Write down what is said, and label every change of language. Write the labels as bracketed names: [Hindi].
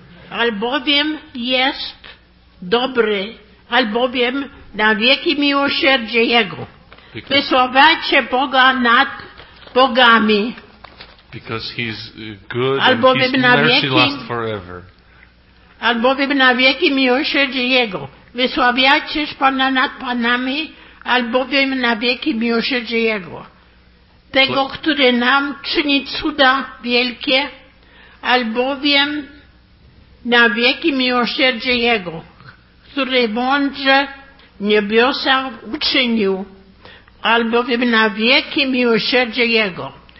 [Polish] Albowiem jest dobry, albowiem na wieki miłosierdzie Jego. Wysławiajcie Boga nad Bogami. [English] Because he's good [Polish] albowiem [English] and his mercy lasts forever. [Polish] Albowiem na wieki miłosierdzie Jego. Wysławiajcie Pana nad Panami, albowiem na wieki miłosierdzie Jego. Tego, który nam czyni cuda wielkie, albowiem na wieki miłosierdzie Jego, który mądrze niebiosa uczynił, albowiem na wieki miłosierdzie Jego.